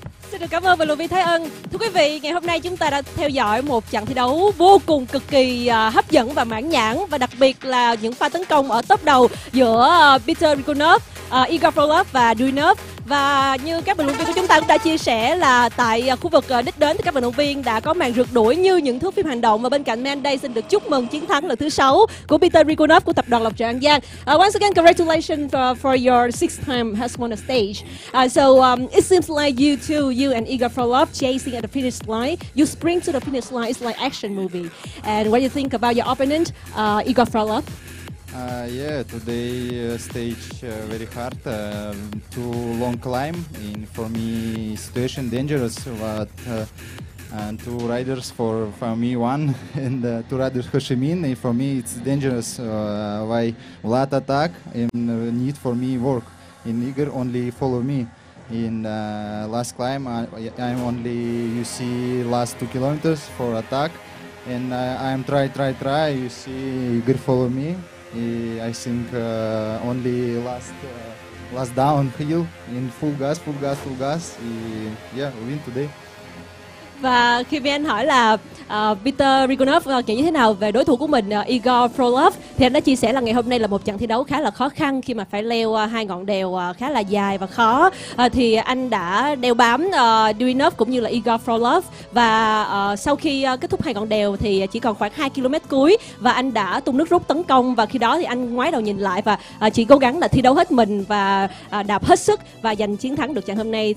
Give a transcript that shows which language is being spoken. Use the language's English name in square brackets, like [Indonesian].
[Vietnamese] Xin được cảm ơn vận động viên Thái Ân. Thưa quý vị, ngày hôm nay chúng ta đã theo dõi một chặng thi đấu vô cùng cực kỳ hấp dẫn và mãn nhãn, và đặc biệt là những pha tấn công ở top đầu giữa Peter Rikunov, Igor Frolov và Duinov. Và như các vận động viên của chúng ta cũng đã chia sẻ là tại khu vực đích đến thì các vận động viên đã có màn rượt đuổi như những thước phim hành động. Và bên cạnh Man Day xin được chúc mừng chiến thắng lần thứ 6 của Peter Rikunov của tập đoàn Lộc Trời An Giang. [English] Once again, congratulations for your sixth time has won a stage. It seems like you two, you and Igor Frolov chasing at the finish line. You spring to the finish line, it's like action movie. And what do you think about your opponent, Igor Frolov? Today stage very hard, too long climb, and for me situation dangerous, but and two riders for me one, and two riders Hoshimin, and for me it's dangerous, why Vlad attack and need for me work, and Igor only follow me. In last climb, I'm only, you see, last 2 kilometers for attack, and I'm try, you see Igor follow me. I think only last downhill in full gas, win today. [Vietnamese] Và khi Vy Anh hỏi là Peter Rikunov kể như thế nào về đối thủ của mình, Igor Frolov, thì anh đã chia sẻ là ngày hôm nay là một trận thi đấu khá là khó khăn khi mà phải leo hai ngọn đèo khá là dài và khó. Thì anh đã đeo bám Duinov cũng như là Igor Frolov, và sau khi kết thúc hai ngọn đèo thì chỉ còn khoảng 2 km cuối và anh đã tung nước rút tấn công, và khi đó thì anh ngoái đầu nhìn lại và chỉ cố gắng là thi đấu hết mình và đạp hết sức và giành chiến thắng được trận hôm nay.